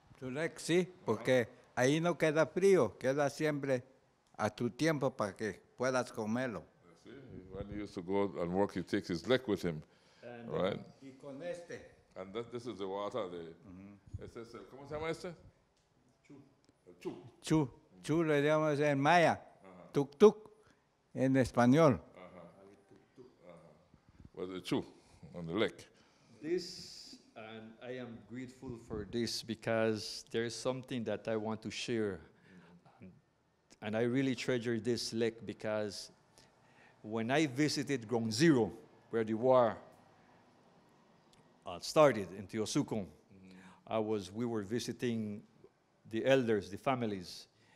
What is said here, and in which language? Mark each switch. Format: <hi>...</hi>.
<es>Tu lek, sí, porque ahí no queda frío, queda siempre a tu tiempo para que puedas comerlo.</es> <en>See, when he used to go and work, he takes his lek with him, and right?</en> <es>Y con este.</es> <en>And this is the water, the,</en> <es>este es el, ¿cómo se llama este? Chu. Chu. Chu, le llamamos en maya, tuk tuk, en español.</es> <en>The chew on the lek. This, and I am grateful for this because there is something that I want to share. And I really treasure this lek because when I visited Ground Zero, where the war started in Teosucum, we were visiting the elders, the families.</en>